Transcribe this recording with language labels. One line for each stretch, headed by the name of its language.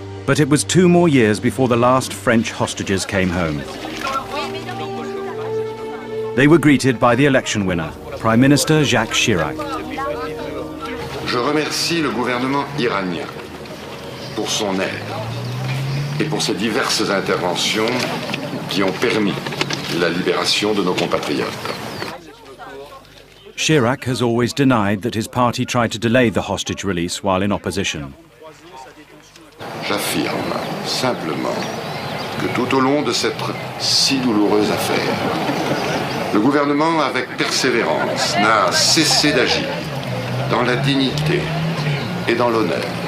English: But it was 2 more years before the last French hostages came home. They were greeted by the election winner, Prime Minister Jacques Chirac.
French: Je remercie le gouvernement iranien pour son aide et pour ses diverses interventions qui ont permis la libération de nos compatriotes.
English: Chirac has always denied that his party tried to delay the hostage release while in opposition.
French: J'affirme simplement que tout au long de cette si douloureuse affaire, le gouvernement, avec persévérance, n'a cessé d'agir dans la dignité et dans l'honneur.